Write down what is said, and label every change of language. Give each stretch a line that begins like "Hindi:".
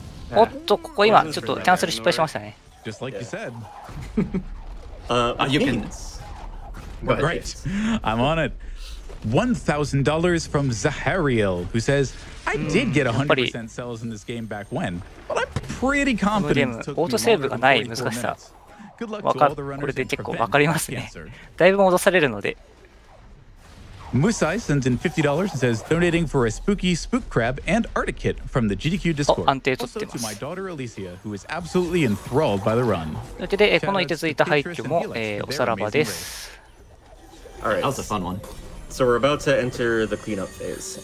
English: Just like you said. You can. Right. I'm on it. $1,000 from Zahariel, who says, I did get 100% cells in this game back when, but I'm pretty confident.
Japanese: Auto save がない難しさ。これで結構わかりますね。だいぶ戻されるので。
English: Musai sends in $50 and says donating for a spooky spook crab and Arctic kit from the GDQ Discord.
Japanese: 安定取ってます。
English: Also to my daughter Alicia, who is absolutely enthralled by the run.
Japanese: で、この凍てついた廃墟も、おさらばです。
English: All right, that was a fun one. So we're about to enter the cleanup phase.